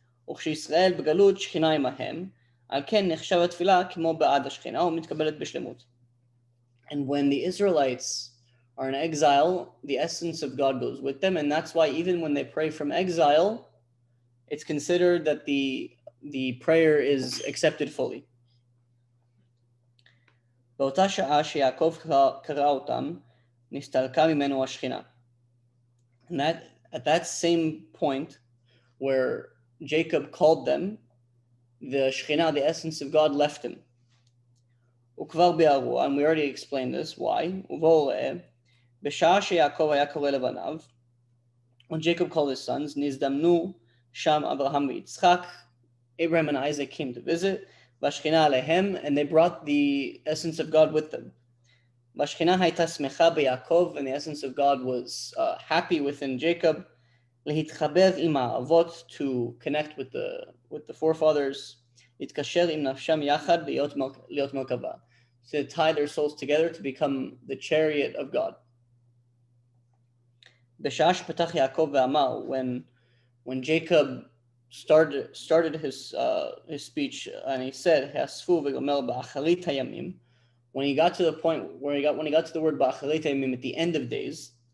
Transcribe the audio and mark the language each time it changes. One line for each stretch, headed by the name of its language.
Hebrew: וכשישראל בגלות שכינה עמהם, על כן נחשב התפילה כמו בעד השכינה ומתקבלת בשלמות.
English: And when the Israelites are in exile, the essence of God goes with them, and that's why even when they pray from exile, it's considered that the prayer is accepted fully.
Hebrew: באותה שעה שיעקב קרא אותם, נסתלקה ממנו השכינה.
English: And that, at that same point where Jacob called them, the Shekhinah, the essence of God, left him.
Hebrew: וכבר בערוע,
English: and we already explained this, why?
Hebrew: ובואו ראה, בשעה שיעקב היה קורא לבניו,
English: when Jacob called his sons,
Hebrew: נזדמנו שם אברהם ויצחק,
English: Abraham and Isaac came to visit,
Hebrew: והשכינה עליהם,
English: and they brought the essence of God with them.
Hebrew: והשכינה הייתה שמחה ביעקב,
English: and the essence of God was happy within Jacob,
Hebrew: להתחבר עם האבות,
English: to connect with the forefathers,
Hebrew: להתקשר עם נפשם יחד, להיות מרכבה.
English: So they tie their souls together to become the chariot of God.
Hebrew: בשעה שפתח יעקב ואמר,
English: when Jacob started his speech and he said
Hebrew: hasfu vegomer ba'acharit hayamim,
English: when he got to the word
Hebrew: ba'acharit hayamim,
English: at the end of days,